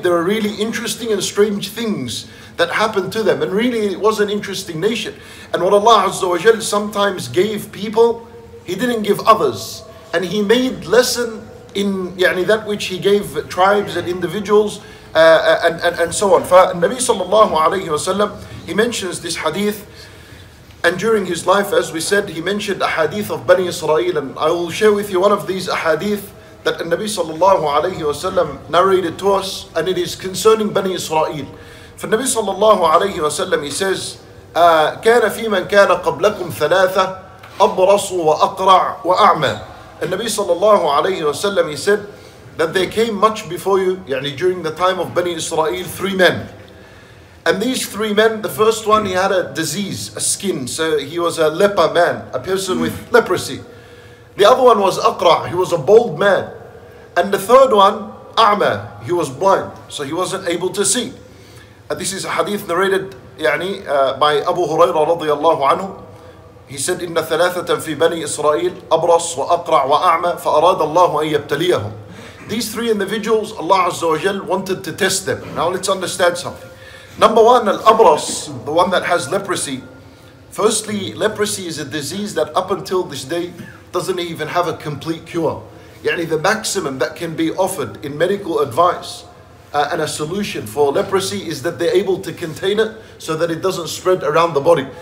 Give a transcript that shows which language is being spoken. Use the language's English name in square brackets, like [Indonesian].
[English] There are really interesting and strange things that happened to them. And really, it was an interesting nation. And what Allah Azza wa Jal sometimes gave people, He didn't give others. And He made lesson in that which He gave tribes and individuals and so on. [Arabic] فَالنَّبِي صلى الله عليه وسلم, [English] He mentions this hadith. And during his life, as we said, he mentioned a hadith of Bani Israel. And I will share with you one of these ahadith that Nabi sallallahu alayhi wa sallam narrated to us. And it is concerning Bani Israel. For Nabi sallallahu alayhi wa sallam, he says, [Arabic] كَانَ فِي مَنْ كَانَ قَبْلَكُمْ ثَلَاثَةَ أَبْرَصُ وَأَقْرَعُ وَأَعْمَى. [English] And Nabi sallallahu alayhi wa sallam, he said that they came much before you, during the time of Bani Israel, three men. And these three men, the first one, he had a disease, a skin. So he was a leper man, a person with leprosy. The other one was Aqra', he was a bald man. And the third one, A'ma, he was blind. So he wasn't able to see. And this is a hadith narrated by Abu Hurairah radiallahu anhu. He said, [Arabic] إِنَّ ثَلَاثَةً فِي بَنِي إِسْرَائِيلِ أَبْرَصْ وَأَقْرَعْ وَأَعْمَى فَأَرَادَ اللَّهُ أَن يَبْتَلِيَهُمْ. [English] These three individuals, Allah Azza wa Jal wanted to test them. Now let's understand something. Number one, al-abras, the one that has leprosy. Firstly, leprosy is a disease that up until this day doesn't even have a complete cure. The maximum that can be offered in medical advice and a solution for leprosy is that they're able to contain it so that it doesn't spread around the body.